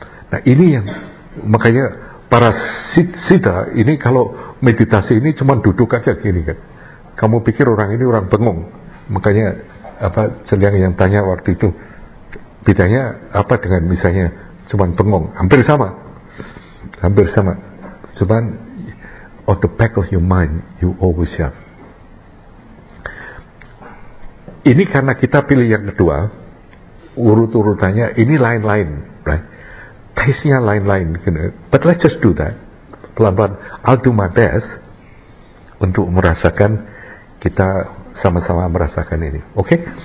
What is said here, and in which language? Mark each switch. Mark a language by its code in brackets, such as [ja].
[id] Nah ini yang makanya para siddha ini kalau meditasi ini cuma duduk aja gini kan. Kamu pikir orang ini orang bengong. Makanya apa Celiang yang tanya waktu itu bedanya apa dengan misalnya cuma bengong? Hampir sama. Hampir sama. [en] Cuma on the back of your mind you always have. [id] Ini karena kita pilih yang kedua, urut-urutannya ini lain-lain, right? Taste-nya lain-lain, [en] you know. But let's just do that. [id] Pelan-pelan, [en] I'll do my best [id] untuk merasakan, kita sama-sama merasakan ini. [en] Okay?